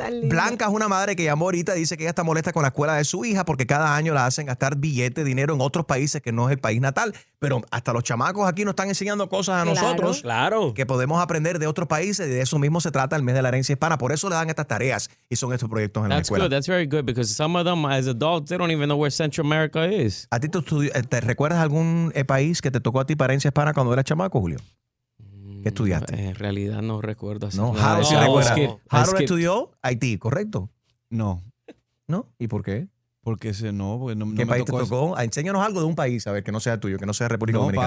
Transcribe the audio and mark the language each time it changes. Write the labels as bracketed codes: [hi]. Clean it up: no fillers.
[es] Blanca es una madre que llamó ahorita y dice que ella está molesta con la escuela de su hija porque cada año la hacen gastar billete, dinero en otros países que no es el país natal. Pero hasta los chamacos aquí nos están enseñando cosas a nosotros. Claro. Que podemos aprender de otros países y de eso mismo se trata el mes de la herencia hispana. Por eso le dan estas tareas y son estos proyectos en la escuela. [en] That's good. That's very good because some of them as adults they don't even know where Central America is. [es] ¿A ti te recuerdas algún país que te tocó a ti para herencia hispana cuando eras chamaco, Julio? ¿Qué estudiaste? En realidad no recuerdo. No, Harold sí recuerda. Harold estudió Haití, ¿correcto? No. ¿No? ¿Y por qué? Porque ese no, porque no, ¿qué no país me tocó te tocó? Ese. Enséñanos algo de un país, a ver, que no sea tuyo, que no sea República Dominicana.